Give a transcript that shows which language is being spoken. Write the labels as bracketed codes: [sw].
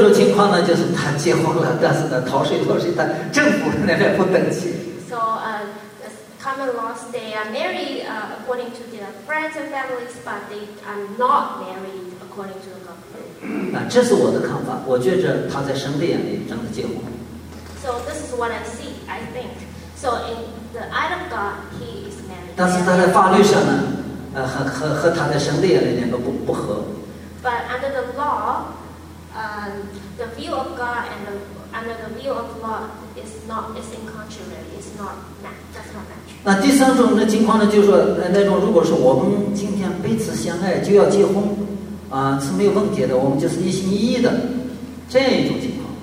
[zh] 那第二种情况呢，就是他结婚了，但是呢，逃税逃税，他政府那边不登记。 [en] So common laws, they are married according to their friends and families, but they are not married according to the government. [zh] 那这是我的看法，我觉着他在神的眼里真的结婚。 [en] So this is what I see. I think so. In the eye of God, he is married. [zh] 但是他在法律上呢，和他在神的眼里两个不合。 [en] But under the law, the view of God and under the view of law is in contrary. It's not match. [zh] 那第三种的情况呢，就是说那种如果是我们今天彼此相爱就要结婚，是没有问题的。我们就是一心一意的这样一种情况。